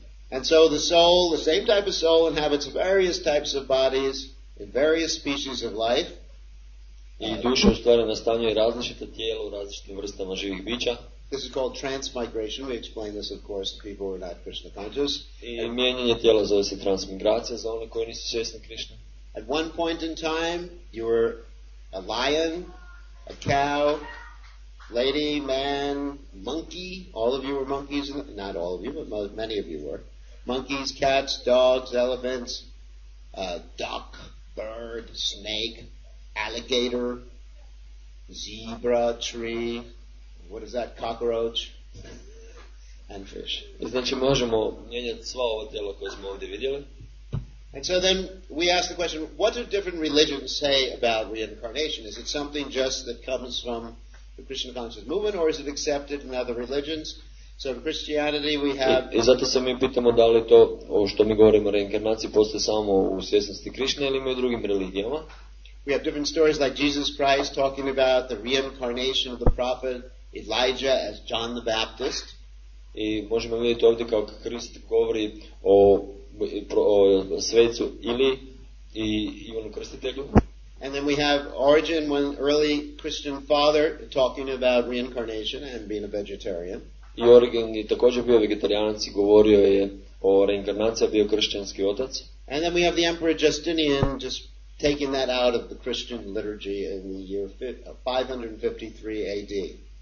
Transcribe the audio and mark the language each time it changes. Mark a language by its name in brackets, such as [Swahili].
[English] And so the soul, the same type of soul, inhabits various types of bodies in various species of life. [Croatian] I duša u stvari nastanjuje različita tijela u različitim vrstama živih bića. [English] This is called transmigration. We explain this, of course, to people who are not Krishna conscious. [Croatian] I mijenjanje tijela zove se transmigracija za one koji nisu svjesni Krishna. [English] At one point in time, you were a lion, a cow, lady, man, monkey. All of you were monkeys. Not all of you, but many of you were. Monkeys, cats, dogs, elephants, duck, bird, snake, alligator, zebra, tree. What is that? Cockroach. And fish. [Croatian] Znači, možemo mijenjati sva ova tijela koje smo ovdje vidjeli. [English] And so then we ask the question, what do different religions say about reincarnation? Is it something just that comes from the Krishna conscious movement, or is it accepted in other religions? So in Christianity we have... [Croatian] I zato se mi pitamo da li to što mi govorimo o reinkarnaciji postoje samo u svjesnosti Krishna ili imaju drugim religijama. [English] We have different stories like Jesus Christ talking about the reincarnation of the prophet Elijah as John the Baptist. [Croatian] I možemo vidjeti ovdje kao Krist govori o svecu ili i Ivanu Krstitelju. [English] And then we have Origen, one early Christian father, talking about reincarnation and being a vegetarian. [Croatian] I Origen je također bio vegetarijanac i govorio je o reinkarnaciji, bio kršćanski otac. [English] And then we have the Emperor Justinian just taking that out of the Christian liturgy in the year 553 AD.